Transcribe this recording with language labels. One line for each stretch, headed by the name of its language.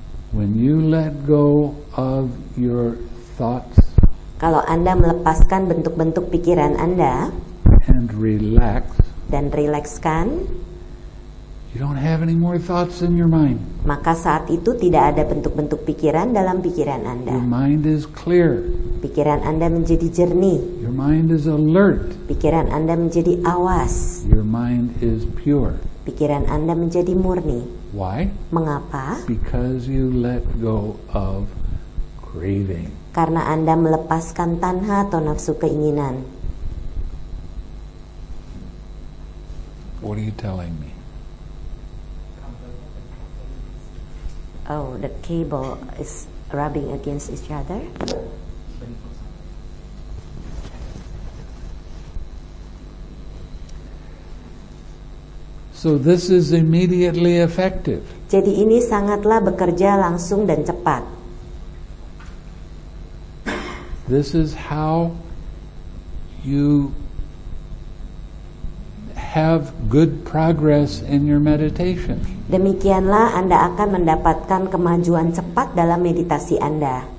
English: When you let go of your thoughts,
Indonesian: kalau Anda melepaskan bentuk-bentuk pikiran Anda,
English: and relax,
Indonesian: dan rilekskan,
English: you don't have any more thoughts in your mind.
Indonesian: Maka saat itu tidak ada bentuk-bentuk pikiran dalam pikiran Anda.
English: Your mind is clear.
Indonesian: Pikiran Anda menjadi jernih.
English: Your mind is alert.
Indonesian: Pikiran Anda menjadi awas.
English: Your mind is pure.
Indonesian: Pikiran Anda menjadi murni.
English: Why?
Indonesian: Mengapa?
English: Because you let go of craving.
Indonesian: Karena Anda melepaskan tanha atau nafsu keinginan.
English: What are you telling me? Oh, the cable is rubbing against each other. So this is immediately effective.
Indonesian: Jadi ini sangatlah bekerja langsung dan cepat.
English: This is how you have good progress in your meditation.
Indonesian: Demikianlah Anda akan mendapatkan kemajuan cepat dalam meditasi Anda.